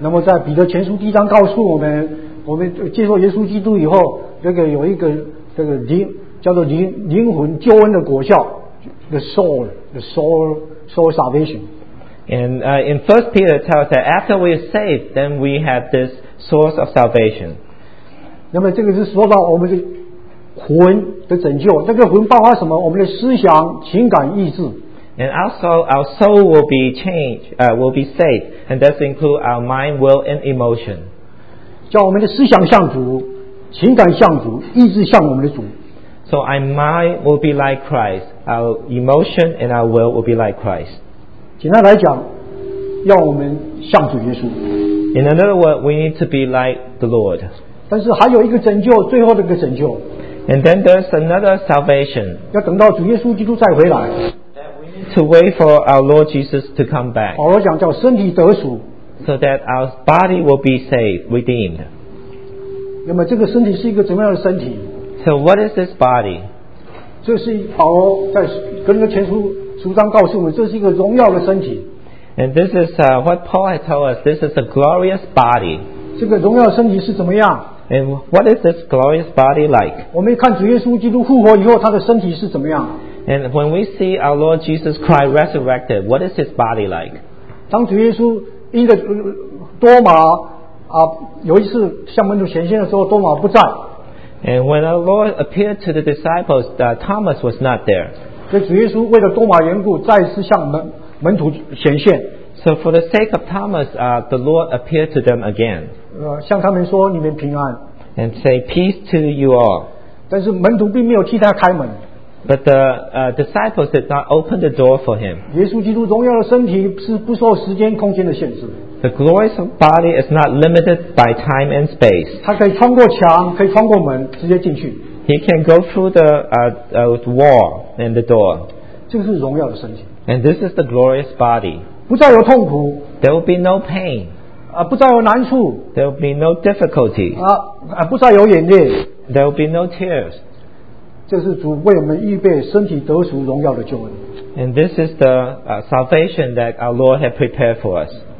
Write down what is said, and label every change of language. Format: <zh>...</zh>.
<zh>那么在彼得前书第一章告诉我们，我们接受耶稣基督以后，那个有一个这个灵叫做灵魂救恩的果效 ，</zh> <en>the soul salvation. And in 1 Peter tells that after we are saved, then we have this source of salvation.</en> <zh>那么这个是说到我们的魂的拯救，这个魂包括什么？我们的思想、情感、意志。</zh> <en>And also our soul will be changed, will be saved, and that includes our mind, will, and emotion.</en> <zh>叫我们的思想像主，情感像主，意志像我们的主。</zh> <en>So our mind will be like Christ, our emotion and our will be like Christ.</en> <zh>简单来讲，要我们像主耶稣。</zh> <en>In another word, we need to be like the Lord.</en> <zh>但是还有一个拯救，最后的一个拯救。</zh> <en>And then there's another salvation.</en> <zh>要等到主耶稣基督再回来。</zh> <en>To wait for our Lord Jesus to come back.</en> <zh>保罗讲叫身体得赎。</zh> <en>So that our body will be saved, redeemed.</en> <zh>那么这个身体是一个怎么样的身体？</zh> <en>So what is this body?</en> <zh>这是保罗在哥林多前书书章告诉我们，这是一个荣耀的身体。</zh> <en>And this is what Paul had told us. This is a glorious body.</en> <zh>这个荣耀身体是怎么样？</zh> <en>And what is this glorious body like?</en> <zh>我们看主耶稣基督复活以后，他的身体是怎么样？</zh> <en>And when we see our Lord Jesus Christ resurrected, what is his body like?</en> <zh>当主耶稣因着多马有一次向门徒显现的时候，多马不在。</zh> <en>And when our Lord appeared to the disciples, Thomas was not there.</en> <zh>所以主耶稣为了多马缘故，再次向门徒显现。</zh> <en>So for the sake of Thomas, the Lord appeared to them again.</en> <zh>向他们说你们平安。</zh> <en>And say peace to you all.</en> <zh>但是门徒并没有替他开门。</zh> <en>But the disciples did not open the door for him.</en> <zh>耶稣基督荣耀的身体是不受时间空间的限制。</zh> <en>The glorious body is not limited by time and space.</en> <zh>他可以穿过墙，可以穿过门，直接进去。</zh> <en>He can go through the wall and the door.</en> <zh>这是荣耀的身体。</zh> <en>And this is the glorious body.</en> <zh>不再有痛苦。</zh> <en>There will be no pain.</en> <zh>不再有难处。</zh> <en>There will be no difficulty.</en> <zh>不再有眼泪。</zh> <en>There will be no tears.</en> <zh>这是主为我们预备身体得赎荣耀的救恩。</zh> <en>And this is the salvation that our Lord had prepared for us.</en>